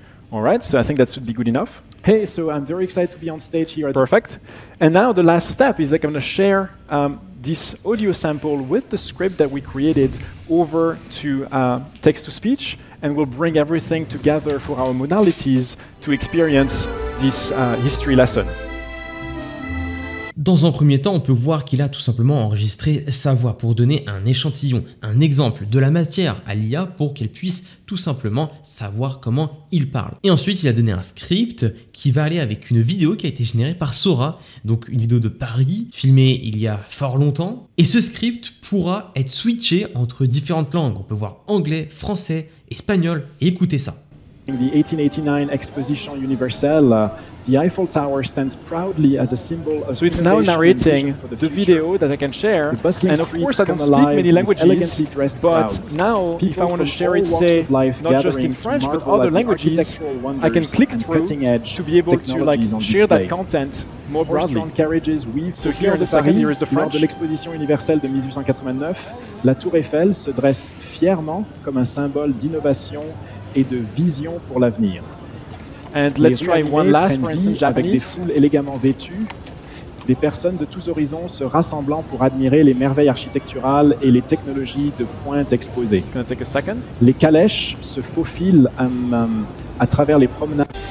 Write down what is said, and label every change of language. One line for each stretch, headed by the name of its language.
English: All right, so I think that should be good enough. Hey, so I'm very excited to be on stage here at Perfect. And now the last step is like I'm gonna share this audio sample with the script that we created over to text-to-speech. And we'll bring everything together for our modalities to experience this history lesson.
French: Dans un premier temps, on peut voir qu'il a tout simplement enregistré sa voix pour donner un échantillon, un exemple de la matière à l'IA pour qu'elle puisse tout simplement savoir comment il parle. Et ensuite, il a donné un script qui va aller avec une vidéo qui a été générée par Sora, donc une vidéo de Paris filmée il y a fort longtemps. Et ce script pourra être switché entre différentes langues. On peut voir anglais, français, espagnol, et écoutez ça.
English: The 1889 Exposition Universelle, the Eiffel Tower stands proudly as a symbol of So it's now narrating the video that I can share, and of course I don't speak many languages, but crowds. Now People if I want to share it, say, life not just in French, but other languages, I can click through edge to be able to like share that content more broadly. Carriages weave so here in the second year is the French.
French: Lors de l'Exposition Universelle de 1889, la Tour Eiffel se dresse fièrement comme un symbole d'innovation et de vision pour l'avenir.
English: And let's try one last, for instance, Japanese.
French: Avec des foules élégamment vêtues, des personnes de tous horizons se rassemblant pour admirer les merveilles architecturales et les technologies de pointe exposées.
English: Can I take a second?
French: Les calèches se faufilent à travers les promenades.